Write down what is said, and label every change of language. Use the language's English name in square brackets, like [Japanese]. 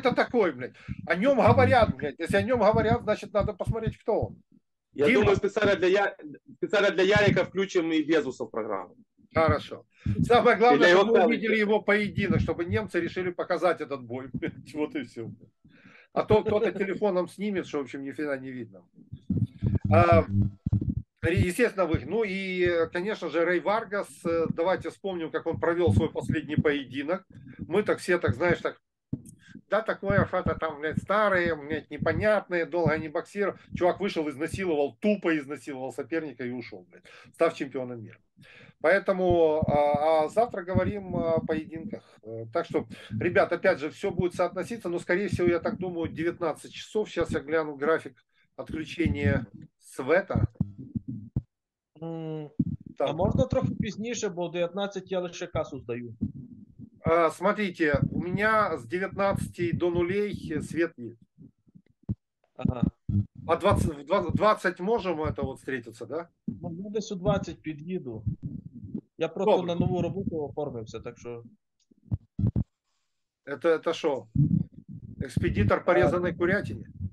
[Ukrainian] Хто це такий, блядь? О ньому говорять, блядь. Якщо о ньому говорять, значить, треба [Russian] посмотреть, [Ukrainian] хто він. Я думаю, спеціально для Ярика включимо і Безоса в програму. [Russian] Хорошо. Самое главное, чтобы мы увидели его поединок, чтобы немцы решили показать этот бой. Вот и все. А то кто-то телефоном снимет, что, в общем, нифига не видно. Естественно, вы. Ну и, конечно же, Рэй Варгас. Давайте вспомним, как он провел свой последний поединок. Мы так все, так знаешь, так... Да, такое, что-то там, блядь, старые, блядь, непонятные, долго не боксировал. Чувак вышел, изнасиловал, тупо изнасиловал соперника и ушел, блядь, став чемпионом мира. Поэтому завтра говорим о поединках. Так что, ребят, опять же, все будет соотноситься, но, скорее всего, я так думаю, 19 часов. Сейчас я гляну график отключения света. Так. [Ukrainian] А можно трохи пізніше, бо 19 я лише касу здаю. [Russian] Смотрите, у меня с 19 до нулей свет нет. Ага. А 20 можем это вот встретиться, да? [Ukrainian] Ну, десь у 20 під'їду. [Russian] Я просто добрый. [Ukrainian] На нову роботу оформився, так що... [Russian] Это [Ukrainian] що? Експедитор порезаної курятини?